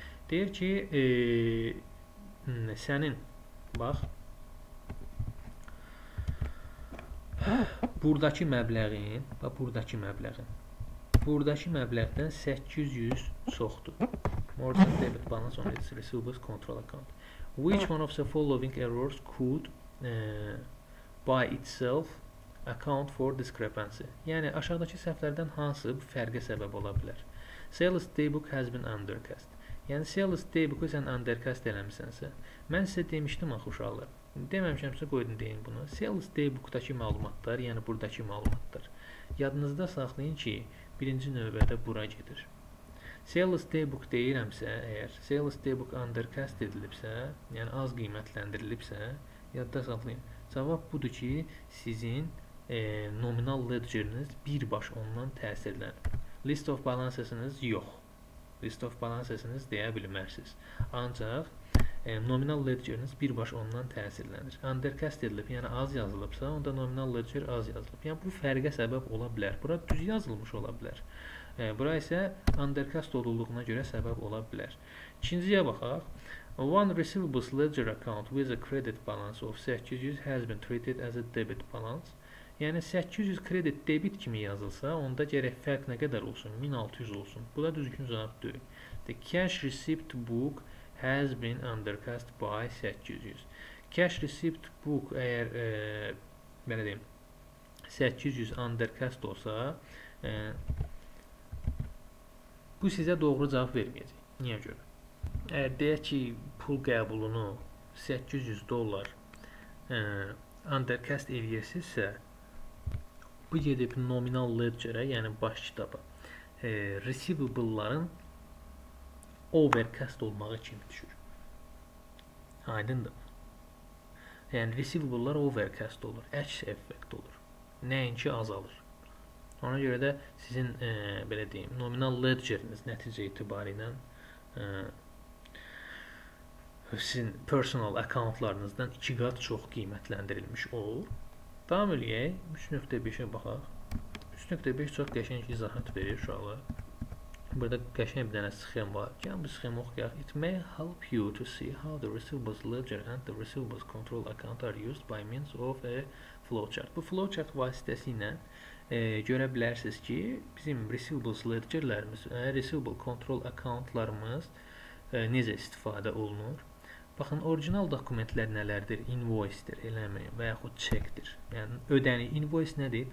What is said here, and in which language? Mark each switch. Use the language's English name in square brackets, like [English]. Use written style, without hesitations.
[Azerbaijani] Deyir ki, sənin, bax, buradakı məbləğin, bax, buradakı məbləğin, buradakı məbləğdən 800 çoxdur. [English] More than debit balance on its receivables control account. Which one of the following errors could by itself account for discrepancy. [Azerbaijani] Yəni aşağıdakı səhvlərdən hansı bu fərqə səbəb ola bilər? [English] Sales daybook has been undercast. [Azerbaijani] Yəni sales daybook-u sən undercast eləmisənsə. Mən sizə demişdim axı uşaqlar. Deməmişəmsə qoydun deyin bunu. Sales daybook-dakı məlumatlar, yəni buradakı məlumatlar. Yadınızda saxlayın ki, birinci növbədə bura gedir. Sales daybook deyirəmsə, əgər sales daybook undercast edilibsə, yəni az qiymətləndirilibsə, yadda saxlayın. Cavab budur ki, sizin nominal ledgeriniz birbaş ondan təsirlənir. List of balansınız yox. List of balansınız deyə bilmərsiniz. Ancaq nominal ledgeriniz birbaş ondan təsirlənir. Undercast edilib, yəni az yazılıbsa, onda nominal ledger az yazılıb. Yəni bu fərqə səbəb ola bilər. Bura düz yazılmış ola bilər. Bura isə undercast olduğuna görə səbəb ola bilər. İkinciyə baxaq. [English] One receivables ledger account with a credit balance of 800 has been treated as a debit balance. [Azerbaijani] Yəni 800 kredit debit kimi yazılsa, onda gərək fərq nə qədər olsun? 1600 olsun. Bu da düzgün cavab deyil. [English] The cash receipt book has been undercast by 800. [Azerbaijani] Cash receipt book əgər belə deyim, 800 undercast olsa, bu sizə doğru cavab verməyəcək. Niyə görə? Əgər deyək ki, pul qəbulunu $800 undercast edirsinizsə, bu gedib nominal ledger'ə, yəni baş kitaba, receivable'ların overcast olmağı kimi düşür. Aydındır. Yəni receivable'lar overcast olur, əks effekt olur. Nəinki azalır. Ona görə də sizin belə deyim, nominal ledger'iniz nəticə itibarilə sizin personal account'larınızdan 2 qat çox qiymətləndirilmiş olur. Davam edək, 3.5-ə baxaq. 3.5 çox qəşəng izahat verir uşaqlar. Burada qəşəng bir dənə sxem var. Gəlin bu sxemi oxuyaq. [English] It may help you to see how the receivables ledger and the receivables control account are used by means of a flowchart. [Azerbaijani] Bu flowchart vasitəsilə görə bilərsiniz ki, bizim receivables ledgerlərimiz, receivable control accountlarımız necə istifadə olunur. Baxın, orijinal dokumentlər nələrdir? Invoice-dir, eləmi? Və yaxud check-dir. Yəni, ödəni. Invoice nədir?